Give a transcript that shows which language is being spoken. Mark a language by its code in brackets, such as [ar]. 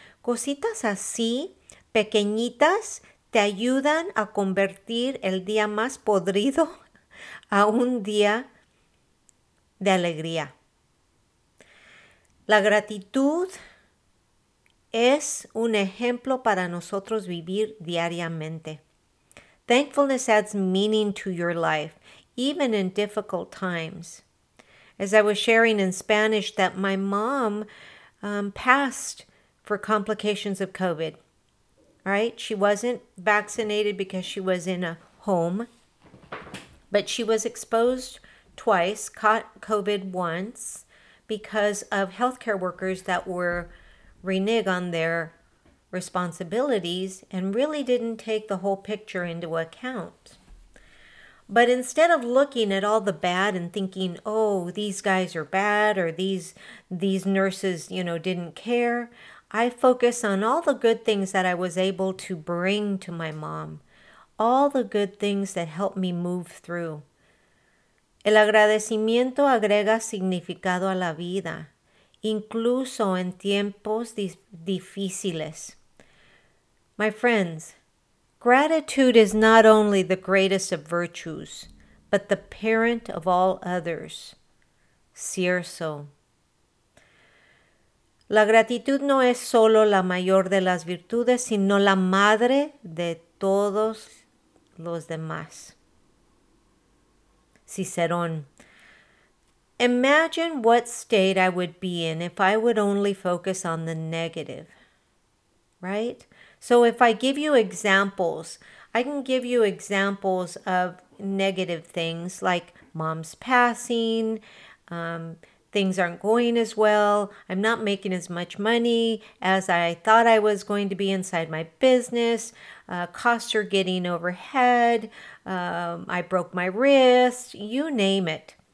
[es] Cositas así, pequeñitas, te ayudan a convertir el día más podrido a un día de alegría. La gratitud es un ejemplo para nosotros vivir diariamente. [en] Thankfulness adds meaning to your life, even in difficult times. As I was sharing in Spanish that my mom passed for complications of COVID, right? She wasn't vaccinated because she was in a home, but she was exposed twice, caught COVID once, because of healthcare workers that were reneging on their responsibilities and really didn't take the whole picture into account. But instead of looking at all the bad and thinking, oh, these guys are bad or these nurses, you know, didn't care, I focus on all the good things that I was able to bring to my mom, all the good things that helped me move through. [es] El agradecimiento agrega significado a la vida, incluso en tiempos difíciles. [en] My friends, gratitude is not only the greatest of virtues, but the parent of all others. [es] Cierzo. La gratitud no es solo la mayor de las virtudes, sino la madre de todos los demás. Cicerón. [en] Imagine what state I would be in if I would only focus on the negative, right? So if I give you examples, I can give you examples of negative things like mom's passing, things aren't going as well, I'm not making as much money as I thought I was going to be inside my business, costs are getting overhead, I broke my wrist, you name it.